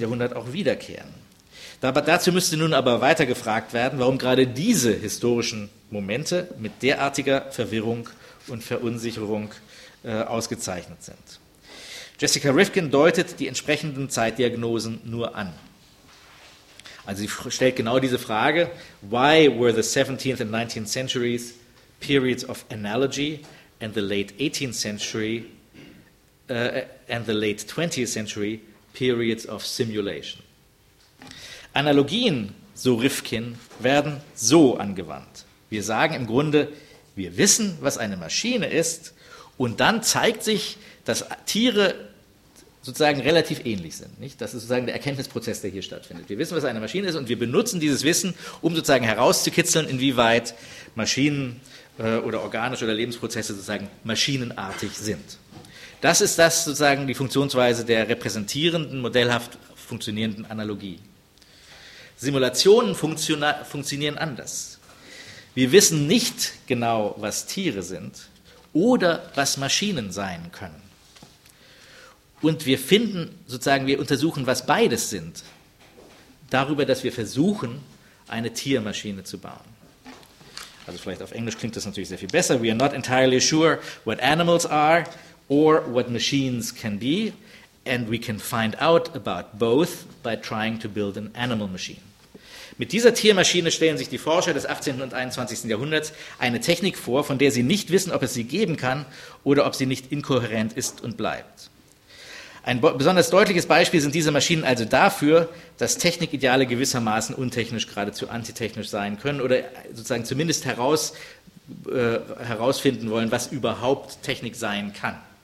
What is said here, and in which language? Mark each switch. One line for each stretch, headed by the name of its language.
German: Jahrhundert auch wiederkehren. Dazu müsste nun aber weiter gefragt werden, warum gerade diese historischen Momente mit derartiger Verwirrung und Verunsicherung ausgezeichnet sind. Jessica Rifkin deutet die entsprechenden Zeitdiagnosen nur an. Also sie stellt genau diese Frage,
English: why were the 17th and 19th centuries periods of analogy and the late 18th century and the late 20th century periods of simulation?
German: Analogien, so Rifkin, werden so angewandt. Wir sagen im Grunde, wir wissen, was eine Maschine ist, und dann zeigt sich, dass Tiere sozusagen relativ ähnlich sind, nicht? Das ist sozusagen der Erkenntnisprozess, der hier stattfindet. Wir wissen, was eine Maschine ist, und wir benutzen dieses Wissen, um sozusagen herauszukitzeln, inwieweit Maschinen oder organische oder Lebensprozesse sozusagen maschinenartig sind. Das ist das sozusagen die Funktionsweise der repräsentierenden, modellhaft funktionierenden Analogie. Simulationen funktionieren anders. Wir wissen nicht genau, was Tiere sind oder was Maschinen sein können. Und wir finden sozusagen, wir untersuchen, was beides sind, darüber, dass wir versuchen, eine Tiermaschine zu bauen. Also vielleicht auf Englisch klingt das natürlich sehr viel besser.
English: We are not entirely sure what animals are or what machines can be, and we can find out about both by trying to build an animal machine.
German: Mit dieser Tiermaschine stellen sich die Forscher des 18. und 21. Jahrhunderts eine Technik vor, von der sie nicht wissen, ob es sie geben kann oder ob sie nicht inkohärent ist und bleibt. Ein besonders deutliches Beispiel sind diese Maschinen also dafür, dass Technikideale gewissermaßen untechnisch, geradezu antitechnisch sein können oder sozusagen zumindest herausfinden wollen, was überhaupt Technik sein kann.